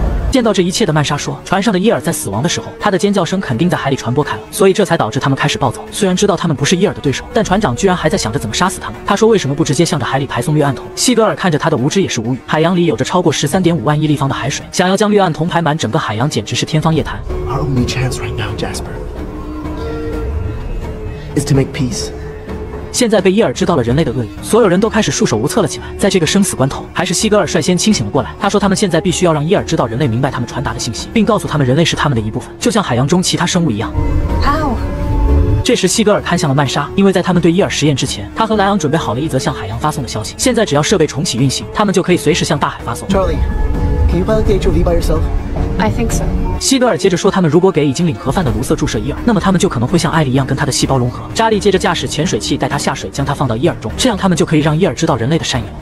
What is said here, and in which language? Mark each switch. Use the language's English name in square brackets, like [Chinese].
[Chinese] 见到这一切的曼莎说，船上的伊尔在死亡的时候，他的尖叫声肯定在海里传播开了，所以这才导致他们开始暴走。虽然知道他们不是伊尔的对手，但船长居然还在想着怎么杀死他们。他说为什么不直接向着海里排送氯胺酮？希格尔看着他的无知也是无语。海洋里有着超过 13.5 万亿立方的海水，想要将氯胺酮排满整个海洋简直是天方夜谭。 [English] Our only chance right now, Jasper, is to make peace. [Chinese] 现在被伊尔知道了人类的恶意，所有人都开始束手无策了起来。在这个生死关头，还是希格尔率先清醒了过来。他说他们现在必须要让伊尔知道人类明白他们传达的信息，并告诉他们人类是他们的一部分，就像海洋中其他生物一样。 [English] How? [Chinese] 这时希格尔看向了曼莎，因为在他们对伊尔实验之前，他和莱昂准备好了一则向海洋发送的消息。现在只要设备重启运行，他们就可以随时向大海发送。 [English] Charlie, can you pilot the HOV by yourself? I think so. [Chinese] 希格尔接着说，他们如果给已经领盒饭的卢瑟注射伊尔，那么他们就可能会像艾莉一样跟他的细胞融合。扎利接着驾驶潜水器带他下水，将他放到伊尔中，这样他们就可以让伊尔知道人类的善意。